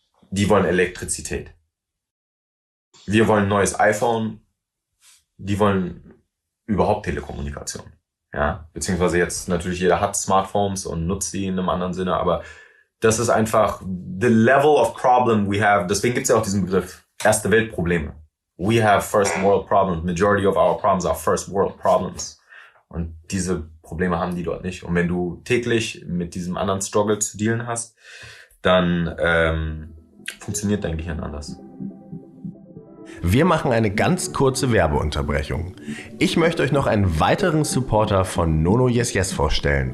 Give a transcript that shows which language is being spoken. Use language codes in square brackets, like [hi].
[de] Die wollen Elektrizität. Wir wollen ein neues iPhone. Die wollen überhaupt Telekommunikation. Ja, beziehungsweise jetzt natürlich jeder hat Smartphones und nutzt sie in einem anderen Sinne, aber das ist einfach the level of problem we have. Deswegen gibt es ja auch diesen Begriff erste Weltprobleme. [en] We have first world problems. Majority of our problems are first world problems. [de] Und diese Probleme haben die dort nicht. Und wenn du täglich mit diesem anderen Struggle zu dealen hast, dann funktioniert dein Gehirn anders. Wir machen eine ganz kurze Werbeunterbrechung. Ich möchte euch noch einen weiteren Supporter von Nono Yes Yes vorstellen.